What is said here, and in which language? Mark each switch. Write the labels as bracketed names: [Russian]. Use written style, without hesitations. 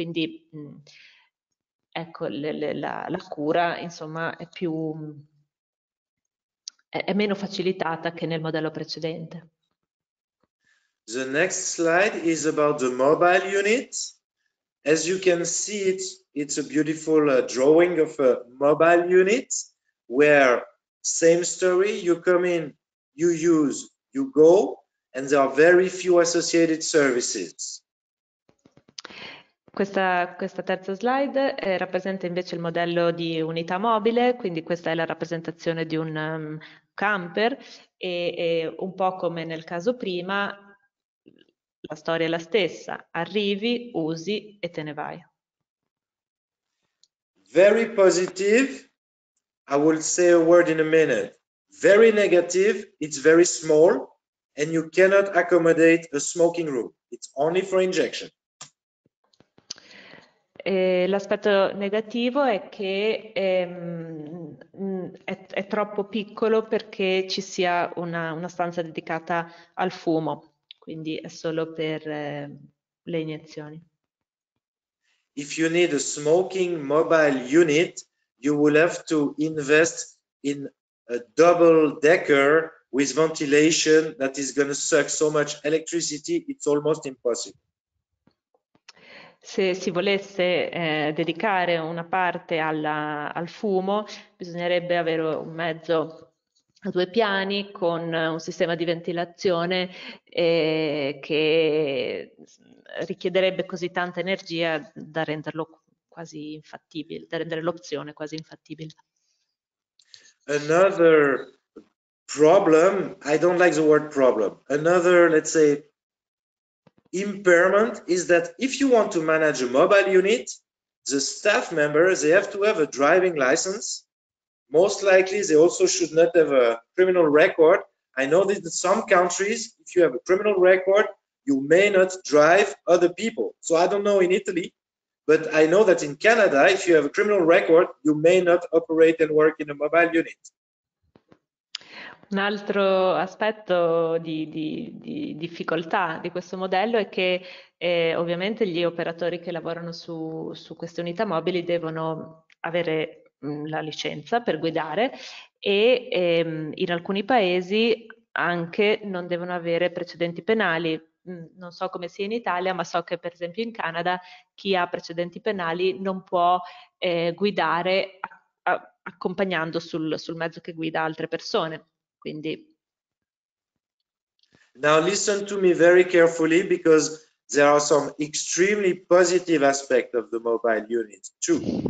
[Italian] Quindi, ecco, la cura, insomma, è meno facilitata che nel modello precedente. [English] The next slide is about the mobile unit. As you can see, it's a beautiful drawing of a mobile unit where, same story, you come in, you use, you go, and there are very few associated services. [Italian] Questa terza slide rappresenta invece il modello di unità mobile, quindi questa è la rappresentazione di un camper e un po' come nel caso prima, la storia è la stessa, arrivi, usi e te ne vai. [English] Very positive, I will say a word in a minute. Very negative, it's very small and you cannot accommodate a smoking room. It's only for injection. [Italian] L'aspetto negativo è che è troppo piccolo perché ci sia una stanza dedicata al fumo, quindi è solo per le iniezioni. [English] If you need a smoking mobile unit, you will have to invest in a double decker with ventilation that is going to suck so much electricity, it's almost impossible. [Italian] Se si volesse dedicare una parte al fumo, bisognerebbe avere un mezzo a due piani con un sistema di ventilazione che richiederebbe così tanta energia da renderlo quasi infattibile, da rendere l'opzione quasi infattibile. [English] Another problem, I don't like the word problem. Another, let's say, impairment is that if you want to manage a mobile unit, the staff members, they have to have a driving license. Most likely they also should not have a criminal record. I know that in some countries, if you have a criminal record, you may not drive other people. So I don't know in Italy, but I know that in Canada, if you have a criminal record, you may not operate and work in a mobile unit. [Italian] Un altro aspetto di difficoltà di questo modello è che ovviamente gli operatori che lavorano su queste unità mobili devono avere la licenza per guidare e in alcuni paesi anche non devono avere precedenti penali. Non so come sia in Italia, ma so che per esempio in Canada chi ha precedenti penali non può guidare accompagnando sul mezzo che guida altre persone. Quindi. [English] Now listen to me very carefully because there are some extremely positive aspects of the mobile unit too.